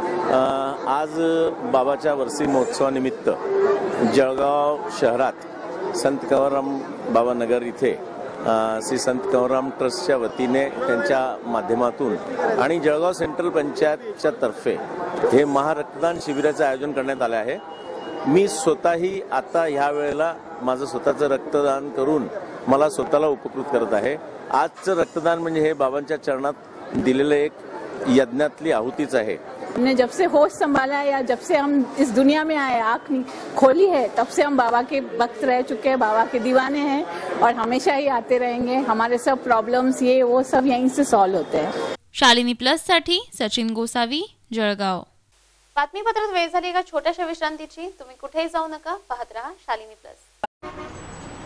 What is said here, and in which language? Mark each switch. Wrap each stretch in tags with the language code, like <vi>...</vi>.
<mr>आज बाबाच्या वर्षी महोत्सवानिमित्त जळगाव शहरात संत कवराम बाबा नगर इथे श्री संत कवराम ट्रस्टच्या वतीने त्यांच्या माध्यमातून आणि जळगाव सेंट्रल पंचायतच्या तर्फे हे महारक्तदान शिबिराचं आयोजन करण्यात आलं आहे. मी स्वतःही आता ह्या वेळेला माझं स्वतःचं रक्तदान करून मला स्वतःला उपकृत करत आहे. आजचं रक्तदान म्हणजे हे बाबांच्या चरणात दिलेलं एक यज्ञातली आहुतीच आहे.</mr> <hi>हमने जब से होश संभाला या जब से हम इस दुनिया में आए, आँख खोली है, तब से हम बाबा के भक्त रह चुके हैं, बाबा के दीवाने हैं और हमेशा ही आते रहेंगे. हमारे सब प्रॉब्लम्स ये वो सब यहीं से सॉल्व होते हैं.</hi> <mr>शालिनी प्लस साठी सचिन गोसावी, जळगाव. बातमीपत्रात वेळ झाली का छोट्याशा विश्रांतीची, तुम्ही कुठेही जाऊ नका, पाहत रहा शालिनी प्लस.</mr>